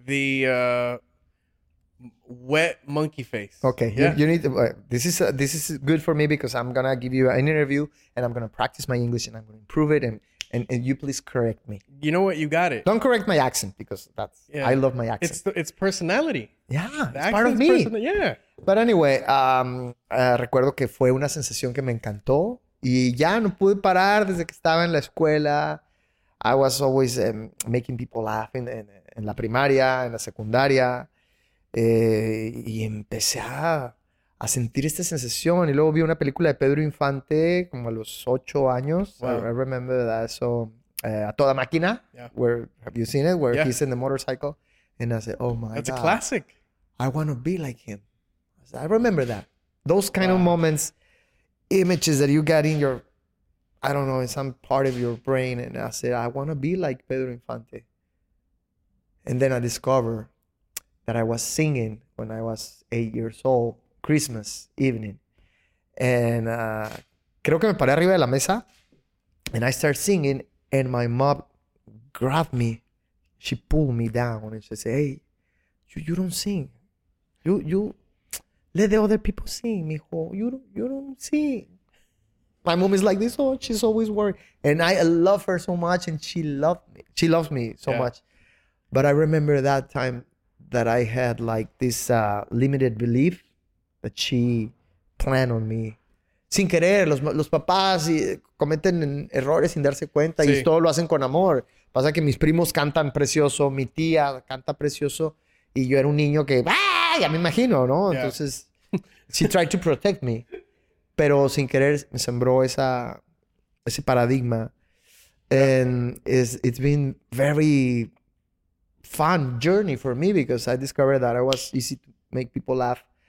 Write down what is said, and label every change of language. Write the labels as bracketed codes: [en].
[en] The wet monkey face. Okay, yeah. You need to, this is good for me because I'm going to give you an interview and I'm going to practice my English and I'm going to improve it. And you please correct me. You know what? You got it. Don't correct my accent because that's, I love my accent. It's personality. Yeah, it's part of me. But anyway, [es] recuerdo que fue una sensación que me encantó. Y ya no pude parar desde que estaba en la escuela. [en] I was always making people laugh [es] en la primaria, en la secundaria. Y empecé a sentir esta sensación. Y luego vi una película de Pedro Infante como a los 8 años. [en] Wow. I remember that. So, A Toda Máquina. Yeah. Where, have you seen it? Where he's in the motorcycle. And I said, oh my God. That's a classic. I want to be like him. I remember that. Those kind of moments. Images that you got in your, I don't know, in some part of your brain. And I said, I want to be like Pedro Infante. And then I discovered that I was singing when I was 8 years old, Christmas evening. [es] And creo que me paré arriba de la mesa. [en] And I started singing. And my mom grabbed me. She pulled me down. And she said, hey, you don't sing. You let the other people sing, mijo. You don't sing. My mom is like this. Oh, she's always worried. And I love her so much. And she loved me. She loves me so much. But I remember that time that I had like this limited belief that she planned on me. [es] Sin querer, los papás cometen errores sin darse cuenta. Sí. Y todo lo hacen con amor. Pasa que mis primos cantan precioso. Mi tía canta precioso. Y yo era un niño que, ¡ay! Ya me imagino, ¿no? [en] Yeah. [es] Entonces, [en] she tried to protect me. [es] Pero sin querer, me sembró ese paradigma. [en] And it's been very fun journey for me because I discovered that I was easy to make people laugh.